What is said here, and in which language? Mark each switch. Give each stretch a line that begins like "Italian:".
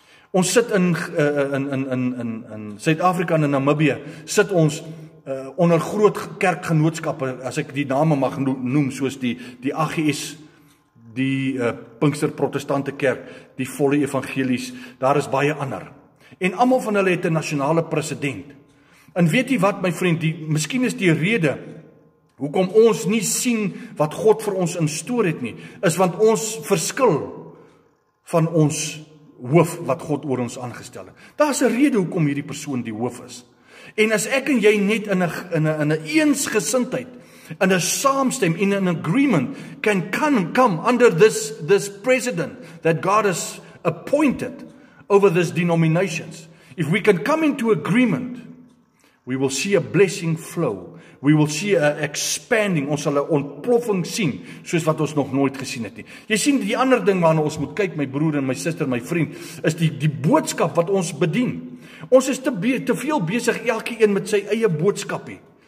Afrikaans: Ons sit in Suid-Afrika en in Namibië, sit ons onder groot kerkgenootskappe, as ek die name mag noem, soos die AGS, die Pinkster Protestante Kerk, die Volle Evangelies, daar is baie ander. En allemaal van hulle het een nationale president. En weet jy wat, my vriend, miskien is die rede, hoekom ons nie sien wat God vir ons in store het nie, is want ons verskil van ons hoof wat God oor ons aangestel het. Daar is een rede hoekom hierdie persoon die hoof is. En as ek en jy net in een eensgesindheid, in een saamstem, in een agreement,
English: can come under this president that God has appointed over this denominations. If we can come into agreement, we will see a blessing flow. We will see a expanding,
Afrikaans: ons sal 'n ontploffing sien, soos wat ons nog nooit gesien het nie. Jy sien, die ander ding waarna ons moet kyk, my broer en my sister, my vriend, is die boodskap wat ons bedien. Ons is te veel besig, elke een met sy eie boodskapie.